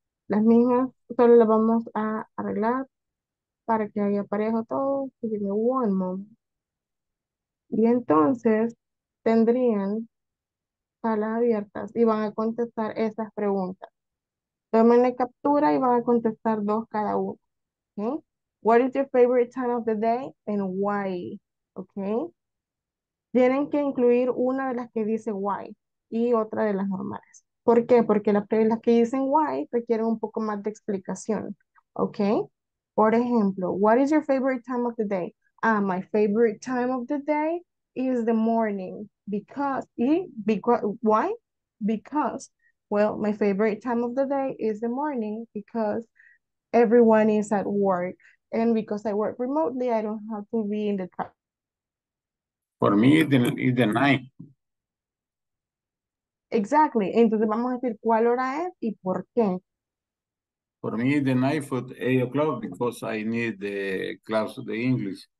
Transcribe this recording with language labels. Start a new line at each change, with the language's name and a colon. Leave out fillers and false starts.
Spanish: Las mismas solo las vamos a arreglar para que haya parejo todo.
English: Give me one moment.
Spanish: Y entonces tendrían salas abiertas y van a contestar esas preguntas. Tomen la captura y van a contestar dos cada uno. Okay.
English: What is your favorite time of the day and why? Okay.
Spanish: Tienen que incluir una de las que dice why y otra de las normales. ¿Por qué? Porque las que dicen why requieren un poco más de explicación. ¿Ok? Por ejemplo,
English: what is your favorite time of the day? Ah, my favorite time of the day is the morning. Because, why? Because, well, my favorite time of the day is the morning because everyone is at work. And because I work remotely, I don't have to be in the car. For me, it's the night. Exactly.
Spanish: Entonces vamos a decir cuál hora es y por qué.
English: For me, the night for 8 o'clock because I need the class of the English.